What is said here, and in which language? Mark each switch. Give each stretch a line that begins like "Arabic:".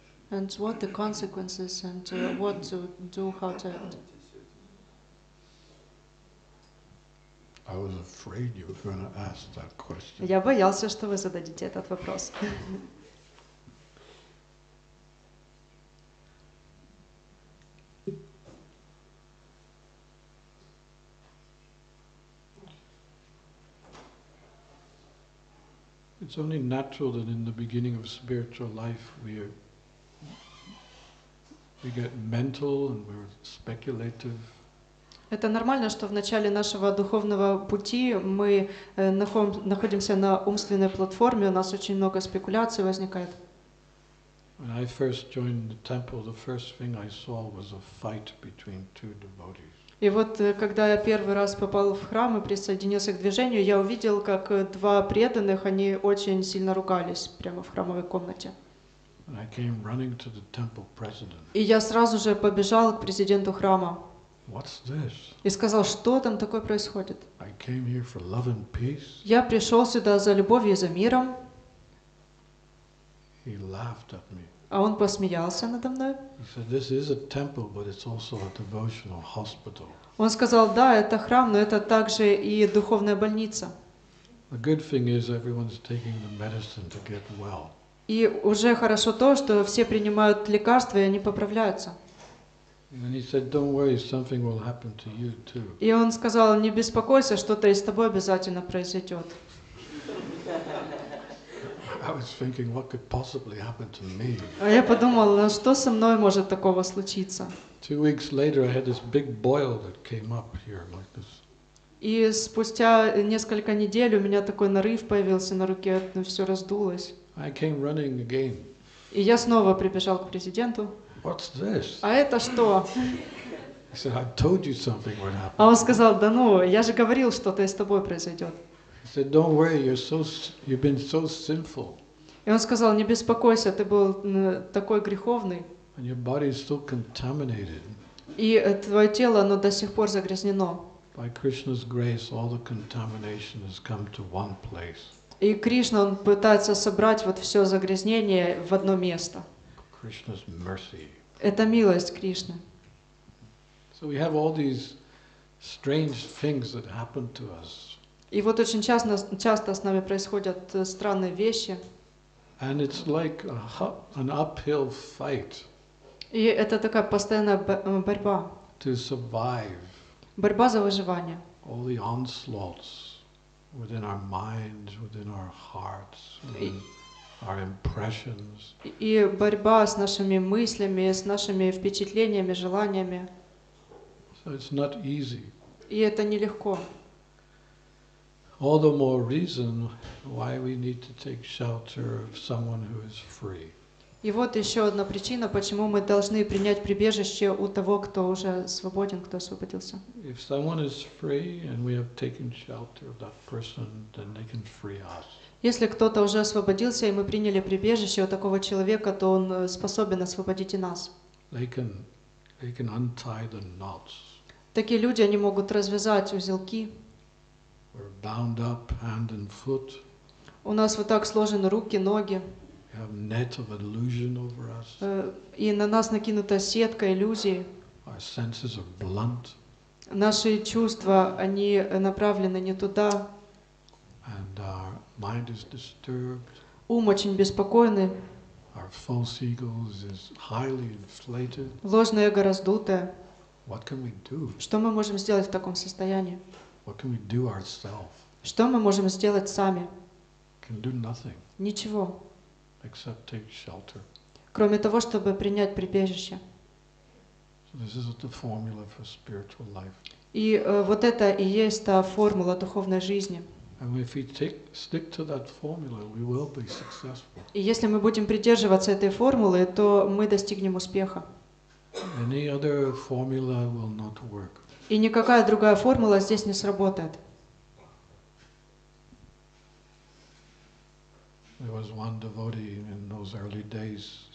English: And what the consequences, and what to do, how to end. I was afraid you were going to ask that question.
Russian: Я боялся, что вы зададите этот вопрос.
English: It's only natural that in the beginning of spiritual life we get mental and we're speculative.
Russian: Это нормально, что в начале нашего духовного пути мы находимся на умственной платформе, у нас очень много спекуляций возникает.
English: When I first joined the temple, the first thing I saw was a fight between two devotees.
Russian: И вот когда я первый раз попал в храм и присоединился к движению, я увидел, как два преданных, они очень сильно ругались прямо в храмовой комнате.
English: And I came running to the temple president.
Russian: И я сразу же побежал к президенту храма.
English: What's this?
Russian: И сказал, что там такое происходит?
English: I came here for love and peace.
Russian: Я пришел сюда за любовью и за миром.
English: He laughed at me.
Russian: А он посмеялся надо мной.
English: He said, this is a temple, but it's also a devotional hospital.
Russian: Он сказал, да, это храм, но это также и духовная больница.
English: The good thing is everyone's taking the medicine to get well.
Russian: И уже хорошо то, что все принимают лекарства, и они поправляются. И он сказал, не беспокойся, что-то и с тобой обязательно произойдет. А я подумал, а что со мной может такого случиться?
English: 2 weeks later I had this big boil that came up here like this.
Russian: И спустя несколько недель у меня такой нарыв появился на руке, но все раздулось.
English: I came running again.
Russian: И я снова прибежал к президенту.
English: What's this?
Russian: А это что?
English: He said, I told you something would happen.
Russian: А он сказал, да ну, я же говорил, что-то с тобой произойдет.
English: He said, don't worry, you've been so sinful.
Russian: И он сказал, не беспокойся, ты был такой греховный.
English: And your body is still contaminated.
Russian: И твое тело, оно до сих пор загрязнено.
English: By Krishna's grace, all the contamination has come to one place.
Russian: И Кришна, он пытается собрать вот все загрязнение в одно место.
English: Krishna's mercy.
Russian: Это милость Кришны.
English: So we have all these strange things that happen to us.
Russian: И вот очень часто с нами происходят странные вещи.
English: And it's like an uphill fight.
Russian: И это такая постоянная борьба.
English: To survive.
Russian: Борьба за выживание.
English: All the onslaughts within our minds, within our hearts, within our impressions.
Russian: И борьба с нашими мыслями, с нашими впечатлениями, желаниями.
English: So it's not easy.
Russian: И это нелегко.
English: All the more reason why we need to take shelter of someone who is free.
Russian: И вот еще одна причина, почему мы должны принять прибежище у того, кто уже свободен, кто освободился.
English: If someone is free and we have taken shelter of that person, then they can free us.
Russian: Если кто-то уже освободился, и мы приняли прибежище у такого человека, то он способен освободить и нас.
English: They can untie the knots.
Russian: Такие люди, они могут развязать узелки.
English: We're bound up hand and foot.
Russian: У нас вот так сложены руки, ноги.
English: We have net of illusion over us.
Russian: И на нас накинута сетка иллюзии.
English: Our senses are blunt.
Russian: Наши чувства, они направлены не туда.
English: And our mind is disturbed.
Russian: Ум очень беспокойный.
English: Our false ego is highly inflated.
Russian: Ложное эго раздутое.
English: What can we do?
Russian: Что мы можем сделать в таком состоянии?
English: What can we do ourselves?
Russian: Что мы можем сделать сами?
English: Can do nothing.
Russian: Ничего.
English: Except take shelter.
Russian: Кроме того, чтобы принять прибежище.
English: So this is the formula for spiritual life.
Russian: И вот это и есть та формула духовной жизни.
English: And if we stick to that formula, we will be successful.
Russian: И если мы будем придерживаться этой формулы, то мы достигнем успеха.
English: Any other formula will not work.
Russian: И никакая другая формула здесь не сработает.
English: There was one devotee in those early days.